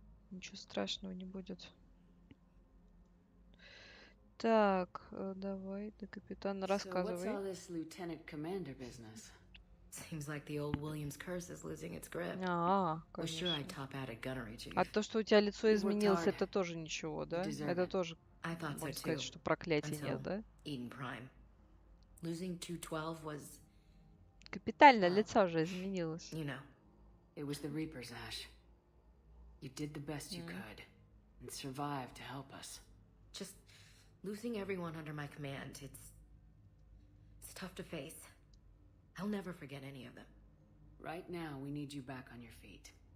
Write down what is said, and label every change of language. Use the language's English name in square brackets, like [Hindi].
[Russian] Ничего страшного не будет. Так, давай, да, капитан, рассказывай. [English] So what's all this lieutenant commander business? Seems like the old Williams curse is losing its grip. Well, sure, I top out at gunnery duty. [Russian] А то, что у тебя лицо изменилось, это тоже ничего, да? Это тоже, можно сказать, что проклятие нет, да? [English] Eden Prime. Losing 212 was... [Russian] Капитально, лицо уже изменилось. [English] You know, it was the Reapers, Ash. You did the best you could and survived to help us. Just losing everyone under my command, it's tough to face. I'll never forget any of them. Right now, we need you back on your feet.